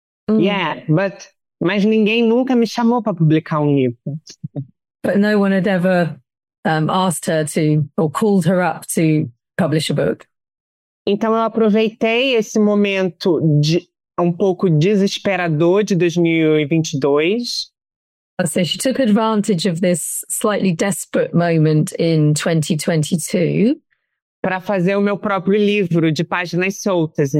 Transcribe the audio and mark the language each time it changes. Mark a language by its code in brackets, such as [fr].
[pt] Yeah, mas ninguém nunca me chamou para publicar um livro. [en] But no one had ever asked her to, or called her up to publish a book. [pt] Então eu aproveitei esse momento de um pouco desesperador de 2022. [en] So she took advantage of this slightly desperate moment in 2022 [pt] para fazer o meu próprio livro de páginas soltas.